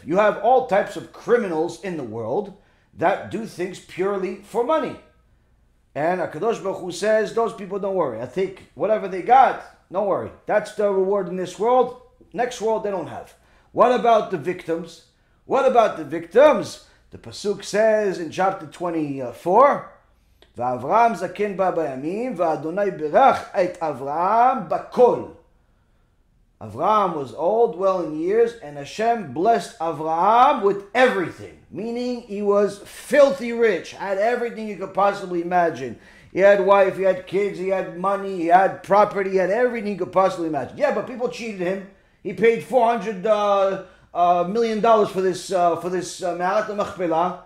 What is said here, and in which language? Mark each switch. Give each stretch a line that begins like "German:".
English: You have all types of criminals in the world that do things purely for money. And HaKadosh Baruch Hu says, those people, don't worry. I think whatever they got, don't worry. That's the reward in this world. Next world, they don't have. What about the victims? What about the victims? The Pasuk says in chapter 24,
Hebrew: ואברהם זקן בא בימים, ואדוני ברך את אברהם בכל.
English: Avraham was old, well in years, and Hashem blessed Avraham with everything. Meaning he was filthy rich, had everything you could possibly imagine. He had wife, he had kids, he had money, he had property, he had everything you could possibly imagine. Yeah, but people cheated him. He paid $400 million for this Ma'arat al-Machpelah.